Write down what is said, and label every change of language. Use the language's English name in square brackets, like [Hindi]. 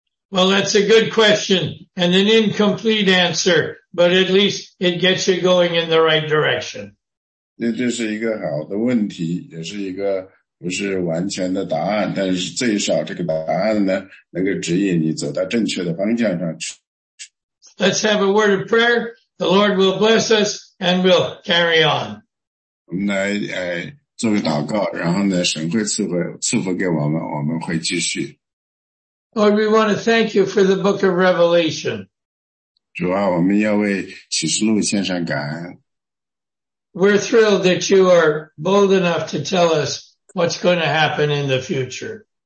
[English] Well, that's a good question and an incomplete answer, but at least it gets you going in the right direction. [Chinese] 那这是一个好的问题，也是一个不是完全的答案，但是最少这个答案呢，能够指引你走到正确的方向上去。 [English] Let's have a word of prayer. The Lord will bless us and we'll carry on. [Chinese] 我们来做个祷告，然后呢，神会赐福给我们，我们会继续。 [English] Lord, we want to thank you for the book of Revelation. [Chinese] 主啊，我们要为启示录献上感恩。 [English] We're thrilled that you are bold enough to tell us what's going to happen in the future.